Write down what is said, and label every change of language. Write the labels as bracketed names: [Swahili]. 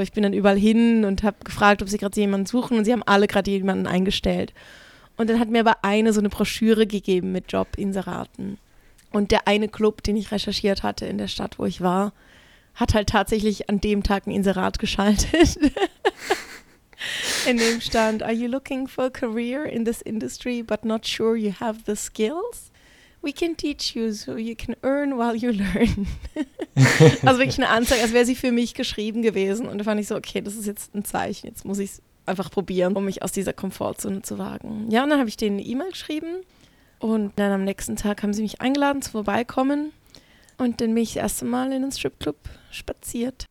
[German] Ich bin dann überall hin und habe gefragt, ob sie gerade jemanden suchen und sie haben alle gerade jemanden eingestellt. Und dann hat mir aber eine so eine Broschüre gegeben mit Jobinseraten. Und der eine Club, den ich recherchiert hatte in der Stadt, wo ich war, hat halt tatsächlich an dem Tag ein Inserat geschaltet. In dem stand, [English] are you looking for a career in this industry but not sure you have the skills? We can teach you so you can earn while you learn. [German] Also wirklich eine Anzeige, als wäre sie für mich geschrieben gewesen. Und da fand ich so, okay, das ist jetzt ein Zeichen, jetzt muss ich es einfach probieren, um mich aus dieser Komfortzone zu wagen. Ja, und dann habe ich denen eine E-Mail geschrieben. Und dann am nächsten Tag haben sie mich eingeladen zu vorbeikommen und dann bin ich das erste Mal in den Stripclub spaziert.